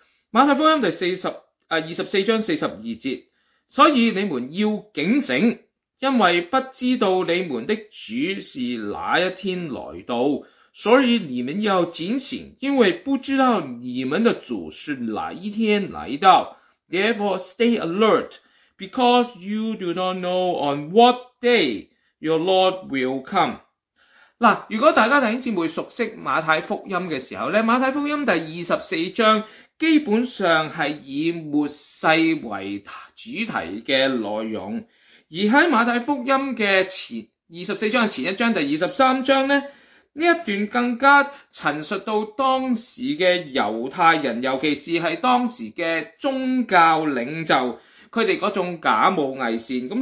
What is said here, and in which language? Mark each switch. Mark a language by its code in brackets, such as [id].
[zh] 马太福音第24章42节。所以你们要警醒，因为不知道你们的主是哪一天来到。所以你们要警醒，因为不知道你们的主是哪一天来到。 [en] Therefore stay alert, because you do not know on what day your Lord will come. [zh] 如果大家弟兄姊妹熟悉马太福音的时候，马太福音第24章基本上是以末世为主题的内容，而在马太福音的24章前一章第23章呢，这一段更加陈述到当时的犹太人，尤其是当时的宗教领袖，他们那种假冒伪善。